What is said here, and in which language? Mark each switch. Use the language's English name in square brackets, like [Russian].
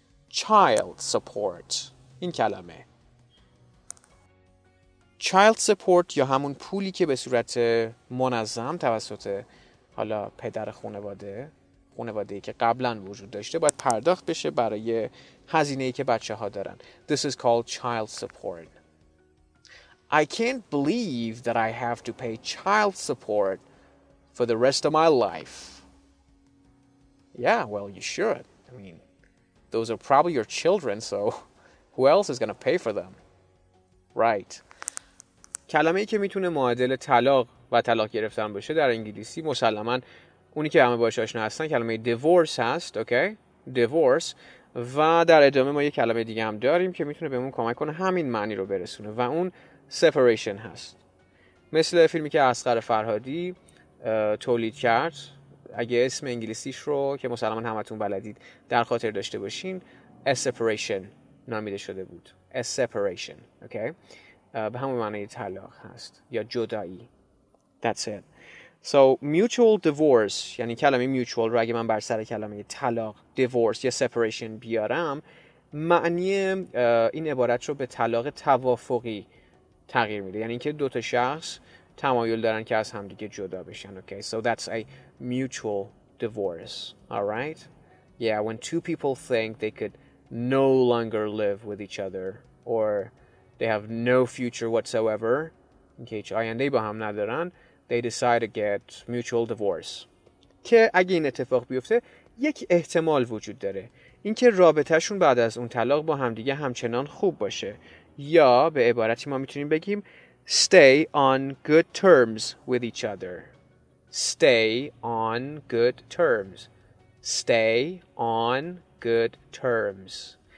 [Persian] Child support این کلمه child support یا همون پولی که به صورت منظم توسط حالا پدر خانواده، خانواده‌ای که قبلا وجود داشته، باید پرداخت بشه برای هزینه‌ای که بچه‌ها دارن. [English] This is called child support. I can't believe that I have to pay child support for the rest of my life. Yeah, well, you should. I mean, those are probably your children, so who else is going to pay for them? Right. [Persian] کلمه‌ای که میتونه معادل طلاق و طلاق گرفتن باشه در انگلیسی مسلماً اونی که همه باهاش آشنا هستن کلمه دیورس هست. اوکی، دیورس. و در ادامه ما یه کلمه دیگه هم داریم که میتونه بهمون کمک کنه همین معنی رو برسونه و اون سپریشن هست، مثل فیلمی که اصغر فرهادی تولید کرد. اگه اسم انگلیسیش رو که مسلمان همتون بلدید در خاطر داشته باشین، سپریشن نامیده شده بود. سپریشن اوکی به همون معنی طلاق هست یا جدایی. [English] That's it. [Persian] So mutual divorce یعنی کلمه mutual رو اگه من بر سر کلمه طلاق divorce یا separation بیارم، معنی این عبارت رو به طلاق توافقی تغییر میده، یعنی که دوتا شخص تمایل دارن که از همدیگه جدا بشن. [English] Okay, so that's a mutual divorce. All right, yeah, when two people think they could no longer live with each other or they have no future whatsoever in case [Persian] آینده با هم ندارن، [English] they decide to get mutual divorce. [Persian] که اگه این اتفاق بیفته یک احتمال وجود داره، اینکه رابطهشون بعد از اون طلاق با همدیگه همچنان خوب باشه، یا به عبارتی ما میتونیم بگیم [English] stay on good terms with each other. Stay on good terms. Stay on good terms.